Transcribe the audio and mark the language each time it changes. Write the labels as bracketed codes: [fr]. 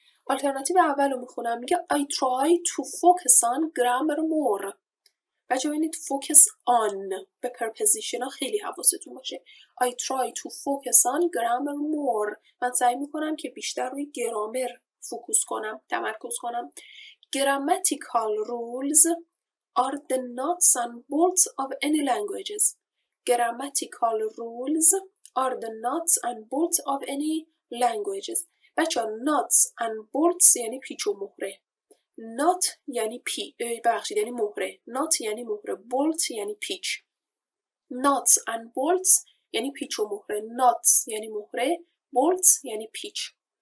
[fa] آلترناتیو اولو میخونم، میگه [en] I try to focus on grammar more. [fa] بچه ببینید focus on به پرپوزیشن ها خیلی حواستون باشه. [en] I try to focus on grammar more، [fa] من سعی میکنم که بیشتر روی گرامر فوکوس کنم، تمرکز کنم. [en] grammatical rules are the nuts and bolts of any languages. grammatical rules are the nuts and bolts of any languages. [fa] بچه nuts and bolts یعنی پیچ و مهره. not یعنی یعنی مهره. not یعنی مهره. bolt یعنی پیچ. nuts and bolts یعنی پیچ و مهره. nuts یعنی مهره. bolts یعنی پیچ.